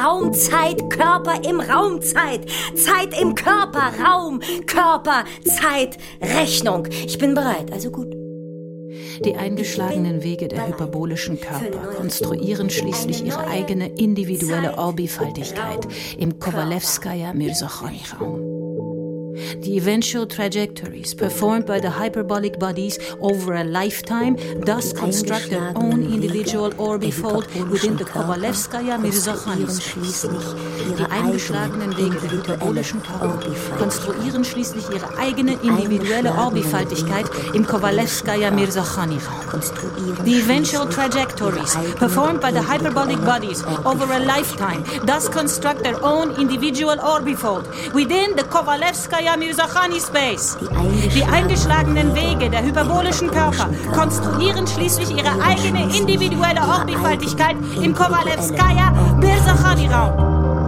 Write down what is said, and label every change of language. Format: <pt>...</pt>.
<de>Körper-Raum-Zeit-Körper-im-Raum-Zeit. Zeit im Körper-Raum-Körper-Zeit-Rechnung. Ich bin bereit, also gut. Die eingeschlagenen Wege der hyperbolischen Körper konstruieren schließlich ihre eigene individuelle Orbifaltigkeit im Kowalewskaja-Mirsochoni-Raum.</de> <en>The eventual trajectories performed by the hyperbolic bodies over a lifetime thus construct their own individual orbifold within the Kowalewskaja-Mirsochoni-Space.</en> <de>Die eingeschlagenen Wege der hyperbolischen Körper konstruieren schließlich ihre eigene individuelle Orbifaltigkeit im Kowalewskaja-Mirsochoni-Raum.</de> <en>The eventual trajectories performed by the hyperbolic bodies over a lifetime thus construct their own individual orbifold within the Kowalewskaja Mirsochoni-Space.</en> <de>Die eingeschlagenen Wege der hyperbolischen Körper konstruieren schließlich ihre eigene individuelle Orbifaltigkeit im Kowalewskaja-Mirsochoni-Raum.</de>